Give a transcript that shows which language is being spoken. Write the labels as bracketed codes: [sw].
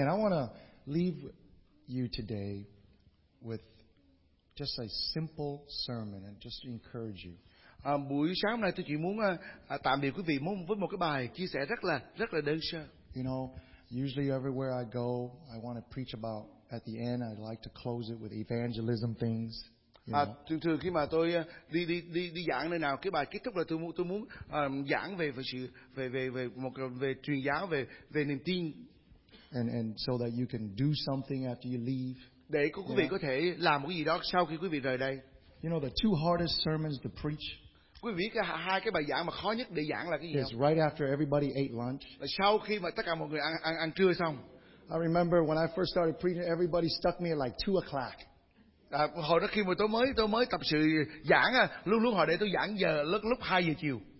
[en] I want to leave you today with just a simple sermon and just encourage you. [vi] Buổi sáng hôm nay tôi chỉ muốn tạm biệt quý vị với một cái bài chia sẻ rất là đơn sơ. [en] You know, usually everywhere I go, I want to preach about at the end. I like to close it with evangelism things. [vi] Thường thường khi mà tôi đi giảng nơi nào, cái bài kết thúc là tôi muốn giảng về truyền giáo, về niềm tin. [en] And so that you can do something after you leave. [vi] Để quý vị có thể làm một cái gì đó sau khi quý vị rời đây. [en] You know the two hardest sermons to preach. [vi] Quý vị biết hai cái bài giảng mà khó nhất để giảng là cái gì không? [en] It's right after everybody ate lunch. [vi] Sau khi mà tất cả mọi người ăn trưa xong. [en] I remember when I first started preaching, everybody stuck me at like 2:00. [vi] Hồi đó khi mà tôi mới tập sự giảng luôn luôn họ để tôi giảng giờ lúc 2:00 PM.